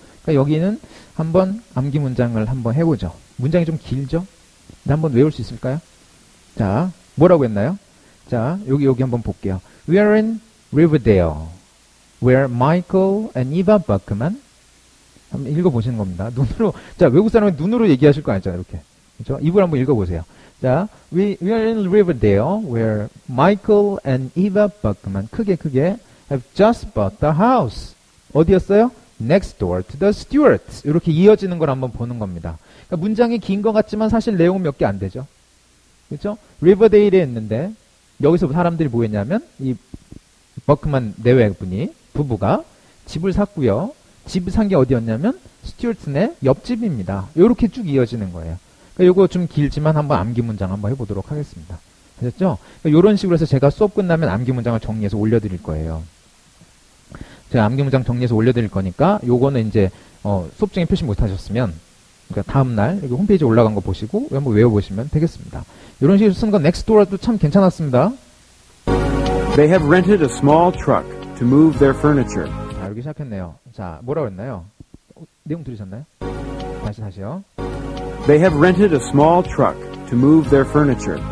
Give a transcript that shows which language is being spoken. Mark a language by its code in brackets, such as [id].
[ko] 그러니까 여기는 한번 암기 문장을 한번 해보죠. 문장이 좀 길죠? 근데 한번 외울 수 있을까요? 자, 뭐라고 했나요? 자, 여기 한번 볼게요. [en] We are in Riverdale where Michael and Eva Buckman [ko] 한번 읽어보시는 겁니다. 눈으로, 자, 외국 사람이 눈으로 얘기하실 거 아니죠? 이렇게. 그죠? 입을 한번 읽어보세요. 자, [en] we are in Riverdale where Michael and Eva Buckman [ko] 크게 [en] have just bought the house. [ko] 어디였어요? [en] Next door to the Stewarts. [ko] 이렇게 이어지는 걸 한번 보는 겁니다. 그러니까 문장이 긴 것 같지만 사실 내용은 몇 개 안 되죠. 그죠? Riverdale에 있는데, 여기서 사람들이 뭐였냐면, 이 Buckman 내외분이, 부부가 집을 샀고요. 집 산 게 어디였냐면, Stewarts네 옆집입니다. 이렇게 쭉 이어지는 거예요. 요거 좀 길지만 한번 암기 문장 한번 해보도록 하겠습니다. 아셨죠? 요런 식으로 해서 제가 수업 끝나면 암기 문장을 정리해서 올려드릴 거예요. 제가 암기 문장 정리해서 올려드릴 거니까 요거는 이제 수업 중에 표시 못하셨으면 그러니까 다음날 여기 홈페이지 올라간 거 보시고 한번 외워보시면 되겠습니다. 요런 식으로 쓰는 건 [en] next door [ko] 도 참 괜찮았습니다. [en] They have rented a small truck to move their furniture. [ko] 자, 여기 시작했네요. 자, 뭐라고 했나요? 내용 들으셨나요? 다시요. [en] They have rented a small truck to move their furniture.